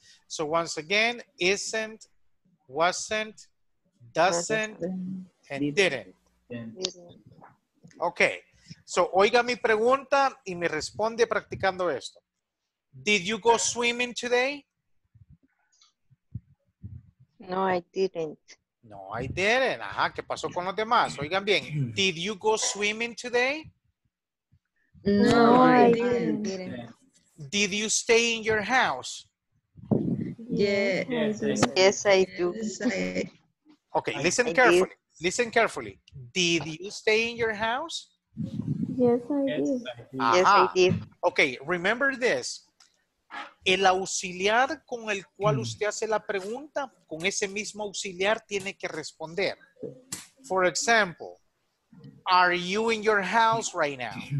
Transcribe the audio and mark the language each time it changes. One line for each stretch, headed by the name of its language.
English: So once again, isn't, wasn't, doesn't, and didn't. Okay.
Spanish: So oiga mi pregunta y me responde practicando esto.
English: Did you go swimming today? No, I didn't. No, I didn't.
Spanish: Ajá, ¿qué pasó con los demás? Oigan bien.
English: Did you go swimming today? No, I didn't. Did you stay in your house? Yes, I do. Okay, listen carefully. Listen carefully. Did you stay in your house? Yes, I did. Okay, remember this.
Spanish: El auxiliar con el cual usted hace la pregunta, con ese mismo auxiliar tiene que responder.
English: For example, are you in your house right now?